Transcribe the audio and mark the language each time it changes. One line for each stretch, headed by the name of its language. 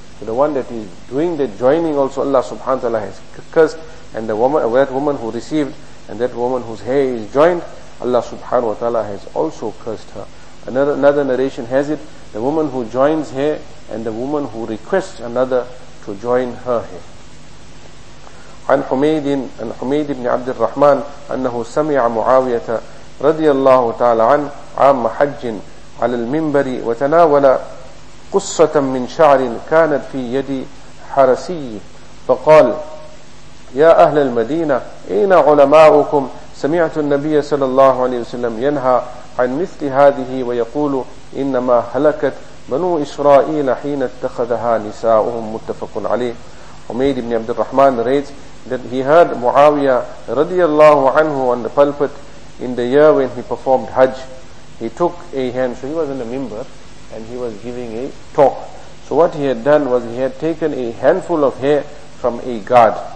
English: So the one that is doing the joining also Allah subhanahu wa ta'ala has cursed, and the woman, that woman who received and that woman whose hair is joined, Allah subhanahu wa ta'ala has also cursed her. Another narration has it, the woman who joins hair and the woman who requests another to join her hair.
Arabic: عن حميد عن حميد بن عبد الرحمن أنه سمع معاوية رضي الله تعالى عنه عام حج على المنبر وتناول قصة من شعر كانت في يد حرسي فقال يا أهل المدينة أين علماؤكم سمعت النبي صلى الله عليه وسلم ينهى عن مثل هذه ويقول إنما هلكت بنو إسرائيل حين اتخذها نساؤهم متفق عليه.
English: حميد بن عبد الرحمن reads that he heard Muawiyah radiallahu anhu on the pulpit in the year when he performed Hajj. He took a hand, so he was in the minbar and he was giving a talk. So what he had done was he had taken a handful of hair from a guard.